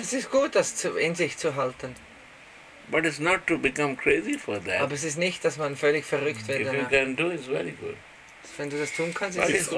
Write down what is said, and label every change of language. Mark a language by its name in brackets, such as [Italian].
[German] Es ist gut, das in sich zu halten. [English] But it's not to become crazy for that. [German] Aber es ist nicht, dass man völlig verrückt wird. [English] If you can do, it's very good. [German] Wenn du das tun kannst, ist es gut.